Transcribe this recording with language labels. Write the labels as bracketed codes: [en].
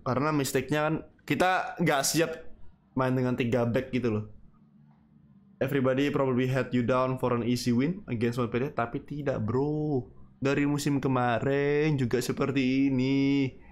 [id] Karena mistake-nya kan kita gak siap main dengan 3 back gitu loh. [en] Everybody probably had you down for an easy win against Montpellier. [id] Tapi tidak bro, dari musim kemarin juga seperti ini.